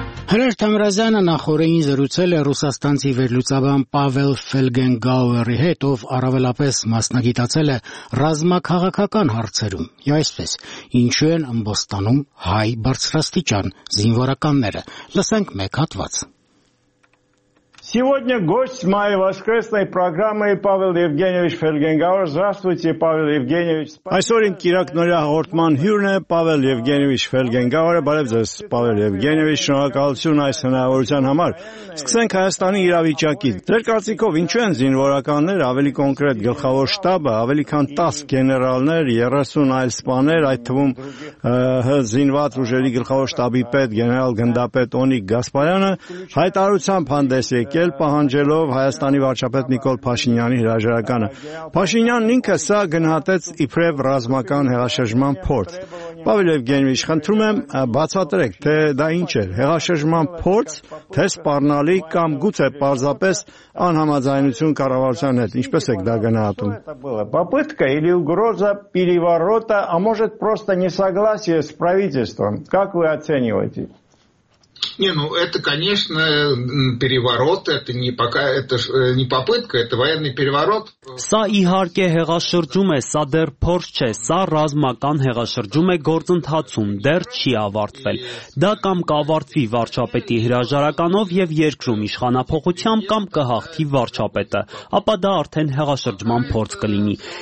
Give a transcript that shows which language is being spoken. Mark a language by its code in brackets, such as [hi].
[hy] Հրաշ Թամրազյանը նախորդին զրուցել է ռուսաստանցի վերլուծաբան Պավել Ֆելգենգաուերի հետ, ով առավելապես մասնագիտացել է ռազմաքաղաքական հարցերում։ Եվ այսպես, ինչու են ըմբոստանում հայ բարձրաստիճան զինվորականները։ Լսենք մեկ հատված։ [ru] Сегодня гость моей воскресной программы Павел Евгеньевич Фельгенгауэр. Здравствуйте, Павел Евгеньевич. [hy] Այսօր ինձ կիրակ նորյա հաղորդման հյուրն է Павел Евгеньевич Фельгенгауэр. Բարև ձեզ, Павел Евгеньевич. Շնորհակալություն այս հնարավորության համար։ Սկսենք Հայաստանի իրավիճակից։ Ձեր կարծիքով ինչու են զինվորականներ, ավելի կոնկրետ գլխավոր շտաբը, ավելի քան 10 գեներալներ, 30 այլ սպաներ, այդ թվում ՀՀ զինված ուժերի գլխավոր շտաբի պետ գեներալ գնդապետ Օնիկ Գասպարյանը հայտարարությամբ հանդես եկել, պահանջելով Հայաստանի վարչապետ Նիկոլ Փաշինյանի հրաժարականը։ Փաշինյանն ինքը սա գնահատեց իբրև ռազմական հեղաշրջման փորձ։ Պավել Եվգենիչ, խնդրում եմ, բացատրեք, թե դա ինչ է, հեղաշրջման փորձ, թե սպառնալի կամ գուցե պարզապես անհամաձայնություն կառավարության հետ։ Ինչպես եք դա գնահատում։ [ru] Попытка или угроза переворота, а может просто несогласие с правительством? Как вы оцениваете? Не, ну это, конечно, переворот, это не пока, это не попытка, это военный переворот. [hy] Սա իհարկե հեղաշրջում է, սա դեռ փորձ չէ, սա ռազմական հեղաշրջում է գործընթացում, դեռ չի ավարտվել։ Դա կամ կավարտվի վարչապետի հրաժարականով եւ երկրում իշխանապողությամբ, կամ կհաղթի վարչապետը, ապա դա արդեն հեղաշրջման փորձ կլինի։